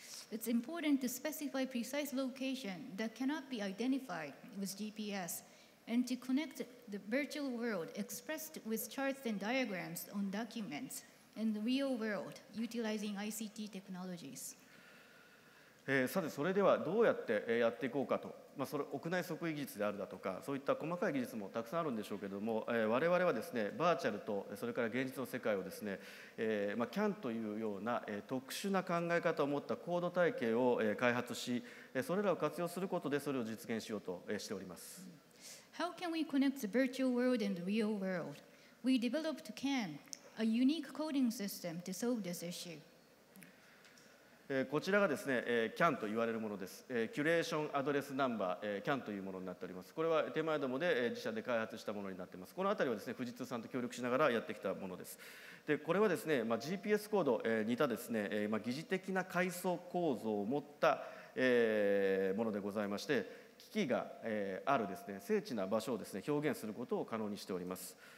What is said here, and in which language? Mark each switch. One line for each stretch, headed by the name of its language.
English: It's important to specify precise location that cannot be identified with GPS and to connect the virtual world expressed with charts and diagrams on documentsIn the real world, utilizing ICT technologies.
Japanese: さてそれではどうやってやっていこうかと、まあ、それ屋内測位技術であるだとかそういった細かい技術もたくさんあるんでしょうけれども、我々はですねバーチャルとそれから現実の世界をですね、まあ、CAN というような、特殊な考え方を持ったコード体系を、開発しそれらを活用することでそれを実現しようと、しております。
English: How can we connect the virtual world and the real world? We developed CAN. A unique coding system to solve this issue.
Japanese: こちらがですね、CAN と言われるものです。キュレーションアドレスナンバー、CAN というものになっております。これは手前どもで、自社で開発したものになっています。このあたりはですね、富士通さんと協力しながらやってきたものです。で、これはですね、まあ、GPS コード、似たですね、まあ、擬似的な階層構造を持った、ものでございまして、機器が、あるですね、精緻な場所をですね、表現することを可能にしております。